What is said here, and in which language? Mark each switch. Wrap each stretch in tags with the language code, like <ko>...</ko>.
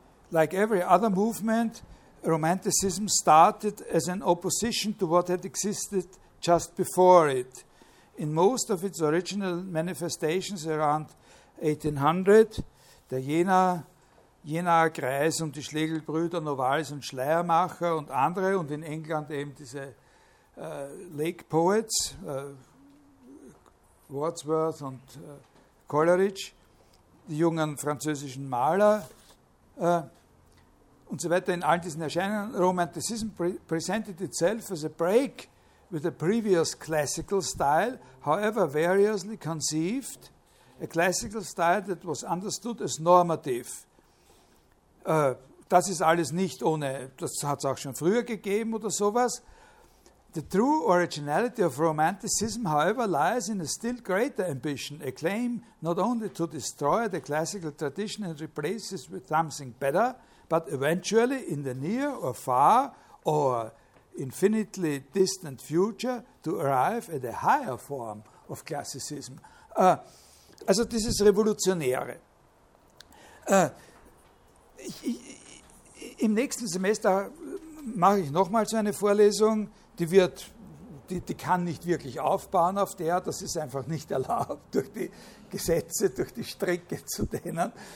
<en>Like every other movement, Romanticism started as an opposition to what had existed just before it.</en> <de>In most of its original manifestations around 1800, der Jenaer Kreis und die Schlegelbrüder, Novalis und Schleiermacher und andere, und in England eben diese Lake Poets, Wordsworth und Coleridge, die jungen französischen Maler, und so weiter in all diesen Erscheinungen.</de> <en>Romanticism presented itself as a break with the previous classical style, however variously conceived, a classical style that was understood as normative.</en> <de>Das ist alles nicht ohne, das hat es auch schon früher gegeben oder sowas.</de> <en>The true originality of Romanticism, however, lies in a still greater ambition, a claim not only to destroy the classical tradition and replace it with something better, but eventually, in the near or far or infinitely distant future, to arrive at a higher form of classicism.</en> <de>Also dieses Revolutionäre. Im nächsten Semester mache ich nochmal so eine Vorlesung, die kann nicht wirklich aufbauen auf der, das ist einfach nicht erlaubt durch die Gesetze, durch die Strecke zu denen.</de>